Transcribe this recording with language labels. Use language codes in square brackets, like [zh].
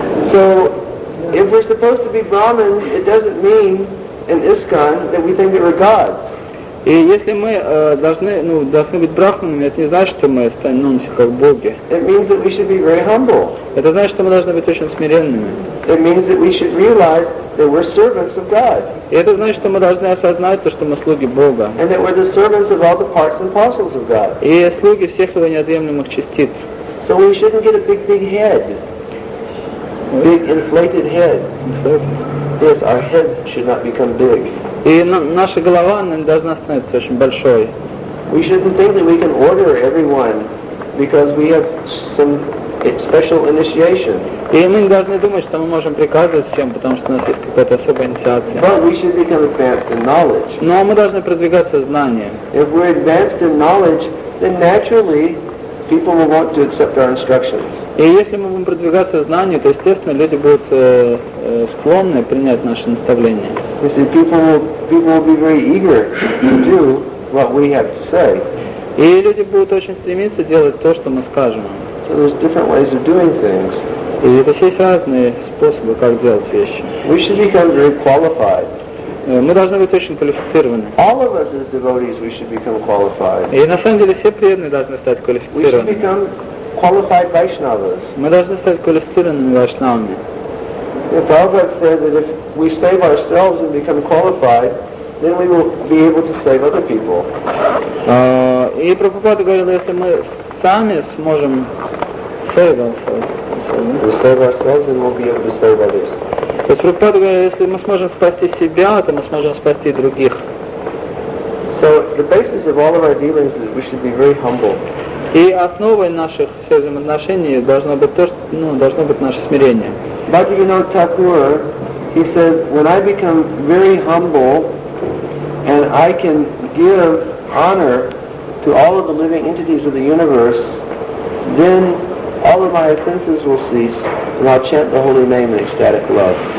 [en] So, if we're supposed to be Brahmin, it doesn't mean in ISKCON that we think that we're gods. [ru] И если мы должны быть брахманами, это не значит, что мы становимся как боги. [en] It means that we should be very humble. [ru] Это значит, что мы должны быть очень смиренными. [en] It means that we should realize that we're servants of God. [ru] И это значит, что мы должны осознать то, что мы слуги Бога. [en] And that we're the servants of all the parts and parcels of God. [ru] И слуги всех его неотъемлемых частиц. [en] So we shouldn't get a big head. Big inflated head. Yes, our heads should not become big. [ru] И наша голова не должна становиться очень большой. [en] We shouldn't think that we can order everyone because we have some special initiation. [ru] И мы не должны думать, что мы можем приказывать всем, потому что у нас есть какая-то особая инициация. [en] But we should become advanced in knowledge. [ru] Но мы должны продвигаться в знаниях. [en] If we're advanced in knowledge, then naturally people will want to accept our instructions. [ru] И если мы будем продвигаться в знаниях, то естественно люди будут склонны принять наши наставления. [en] You see, people will be very eager to do what we have to say. [ru] И люди будут очень стремиться делать то, что мы скажем. [en] So there's different ways of doing things. [ru] И это все разные способы, как делать вещи. [en] We should become very qualified. [ru] Мы должны быть очень квалифицированы. [en] All of us as devotees, we should become qualified. [ru] И на самом деле все преданные должны стать квалифицированными. [en] We should become qualified Vaishnavas. [ru] Мы должны стать квалифицированными Вайшнавами. [en] If Prabhupada said that if we save ourselves and become qualified, then we will be able to save other people. [ru] И Прабхупада говорил, если мы сами сможем [en] save ourselves, save ourselves, then we'll be able to save others. [ru] То есть Прабхупада говорил, если мы сможем спасти себя, то мы сможем спасти других. [en] So the basis of all of our dealings is we should be very humble. [ru] И основой наших всех взаимоотношений должно быть то, что, ну, должно быть наше смирение. [en] Bhaktivinoda Thakur, he says, when I become very humble and I can give honor to all of the living entities of the universe, then all of my offenses will cease and I'll chant the holy name in ecstatic love.